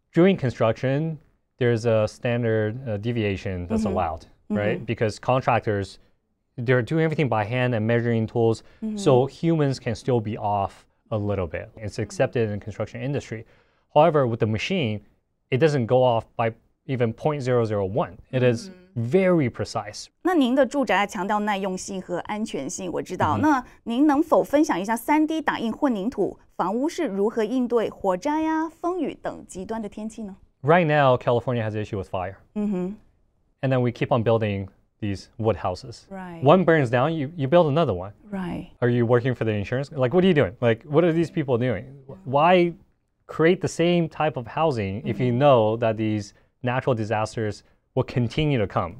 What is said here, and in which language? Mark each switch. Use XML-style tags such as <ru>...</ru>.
<en>During construction, there's a standard deviation that's mm-hmm. allowed, right? Mm-hmm. Because contractors, they're doing everything by hand and measuring tools, mm-hmm. so humans can still be off a little bit. It's accepted in the construction industry. However, with the machine, it doesn't go off by even 0.001. It is very precise.</en> <zh>那您的住宅强调耐用性和安全性，我知道。</zh> <en>Mm-hmm.</en> <zh>那您能否分享一下 3D 打印混凝土房屋是如何应对火灾呀、风雨等极端的天气呢？</zh> <en>Right now, California has an issue with fire. Mm-hmm. And then we keep on building these wood houses. Right. One burns down, you build another one. Right. Are you working for the insurance? Like, what are you doing? Like, what are these people doing? Why create the same type of housing mm-hmm. if you know that these natural disasters will continue to come?</en>